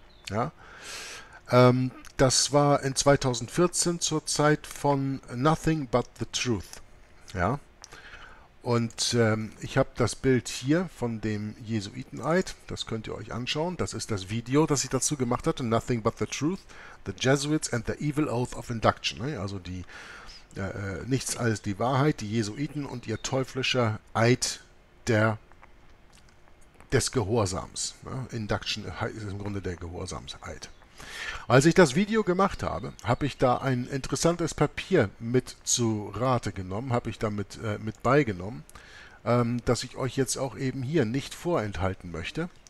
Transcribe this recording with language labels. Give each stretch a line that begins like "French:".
German: Ja? Das war in 2014 zur Zeit von Nothing But The Truth. Ja? Und ich habe das Bild hier von dem Jesuiteneid. Das könnt ihr euch anschauen. Das ist das Video, das ich dazu gemacht hatte.
English: Nothing but the truth, the Jesuits and the evil oath of induction.
German: Ne? Also die nichts als die Wahrheit, die Jesuiten und ihr teuflischer Eid des Gehorsams. Ne? Induction ist im Grunde der Gehorsamseid. Als ich das Video gemacht habe, habe ich da ein interessantes Papier mit zu Rate genommen, habe ich damit mit beigenommen, das ich euch jetzt auch eben hier nicht vorenthalten möchte.